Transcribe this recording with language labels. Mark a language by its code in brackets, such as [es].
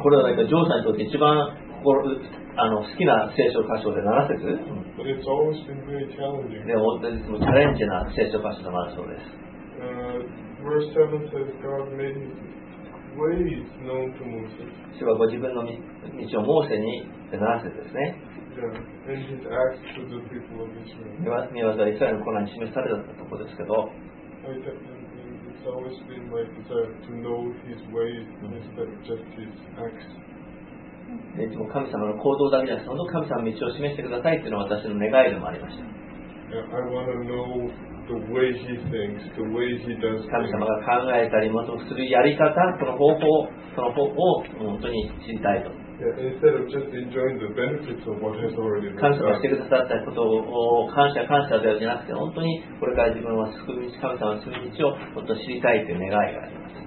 [ja] これはなんかジョーさんにとって一番好きな聖書箇所で7節。 [en] But it's always been very challenging. [ja] でも本当にチャレンジな聖書箇所でもあるそうです。 [en] Verse 7 says God made His ways known to Moses. [ja] 主はご自分の道をモーセに、7節ですね。 [en] Yeah, and his acts to the people of Israel. [ja] 見業が Israel の子らに示されたところですけど。 [en] It's always been my desire to know His ways instead of just His acts. [ja] いつも神様の行動だけじゃなくて、その神様の道を示してくださいっていうのは私の願いでもありました。 [en] Yeah, I want to know the way he thinks, the way he does things. [ja] 神様が考えたりもとするやり方、その方法、その方法を本当に知りたいと。 [en] Yeah, instead of just enjoying the benefits of what has already been done. [ja] 感謝してくださったことを感謝感謝ではなくて、本当にこれから自分は救い主、神様の救い主をもっと知りたいという願いがあります。